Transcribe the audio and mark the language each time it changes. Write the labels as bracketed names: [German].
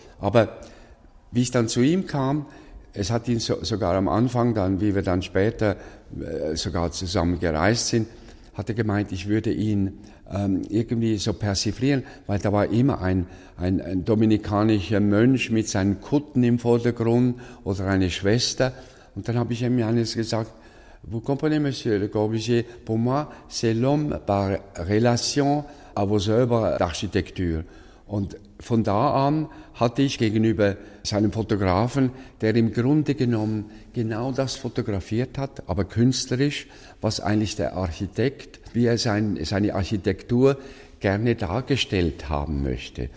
[German] Aber wie ich dann zu ihm kam, es hat ihn sogar am Anfang dann, wie wir dann später sogar zusammen gereist sind, hat er gemeint, ich würde ihn irgendwie so persiflieren, weil da war immer ein dominikanischer Mönch mit seinen Kutten im Vordergrund oder eine Schwester. Und dann habe ich ihm eines gesagt, [French] vous comprenez, monsieur Le Corbusier, pour moi, c'est l'homme par relation à vos œuvres d'architecture. [German] Und von da an hatte ich gegenüber seinem Fotografen, der im Grunde genommen genau das fotografiert hat, aber künstlerisch, was eigentlich der Architekt, wie er seine Architektur gerne dargestellt haben möchte.